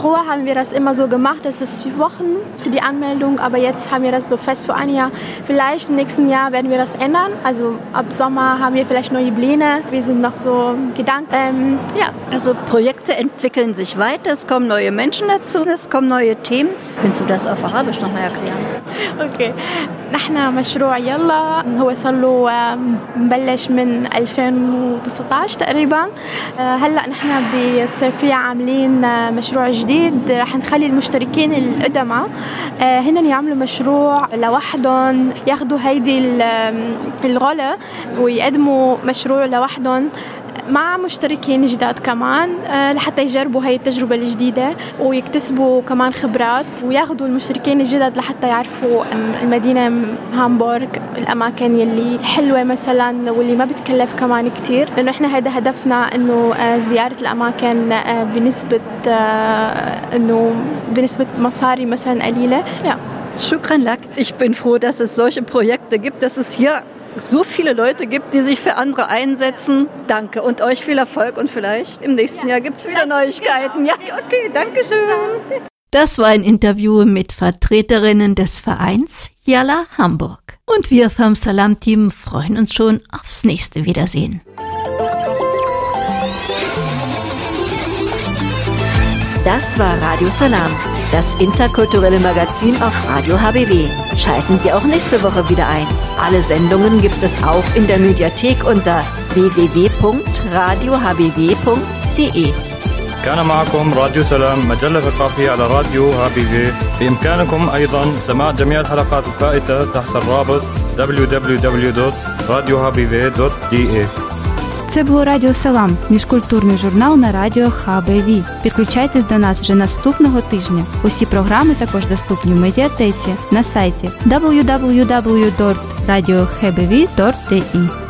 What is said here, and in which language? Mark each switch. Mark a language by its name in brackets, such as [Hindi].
[German] Früher haben wir das immer so gemacht, das ist Wochen für die Anmeldung, aber jetzt haben wir das so fest für ein Jahr. Vielleicht im nächsten Jahr werden wir das ändern. Also ab Sommer haben wir vielleicht neue Pläne. Wir sind noch so Gedanken. Also Projekte entwickeln sich weiter, es kommen neue Menschen dazu, es kommen neue Themen. Könntest du das auf Arabisch nochmal erklären? Okay. [Arabic] نحن مشروع يلا هو صار له مبلش من 2019 تقريبا هلا نحن بالصيفية عاملين مشروع جديد رح نخلي المشتركين القدماء هن يعملوا مشروع لوحدهم ياخذوا هيدي الغلة ويقدموا مشروع لوحدهم مع مشتركين جداد كمان لحتى يجربوا هاي التجربة الجديدة ويكتسبوا كمان خبرات وياخدوا المشتركين الجداد لحتى يعرفوا المدينة هامبورغ الأماكن يلي حلوة مثلا واللي ما بتكلف كمان كتير لأنه إحنا هذا هدفنا إنه زيارة الأماكن بنسبة إنه بنسبة مصاري مثلا قليلة. شكرا لك. [German] Ich bin froh, dass es solche Projekte gibt, dass es hier so viele Leute gibt, die sich für andere einsetzen. Danke und euch viel Erfolg und vielleicht im nächsten Jahr gibt es wieder Neuigkeiten. Ja, okay, danke schön. Das war ein Interview mit Vertreterinnen des Vereins Yalla Hamburg. Und wir vom Salam-Team freuen uns schon aufs nächste Wiedersehen. Das war Radio Salam, das interkulturelle Magazin auf Radio HBW. Schalten Sie auch nächste Woche wieder ein. Alle Sendungen gibt es auch in der Mediathek unter www.radiohbw.de. [Arabic] كان معكم راديو سلام مجلة ثقافية على راديو HBW. بإمكانكم أيضا سماع جميع الحلقات الفائتة تحت الرابط www.radiohbw.de. [Ukrainian] Це був Радіо Салам, міжкультурний журнал на радіо HBW. Підключайтесь до нас вже наступного тижня. Усі програми також доступні в медіатеці на сайті www.radiohbw.de.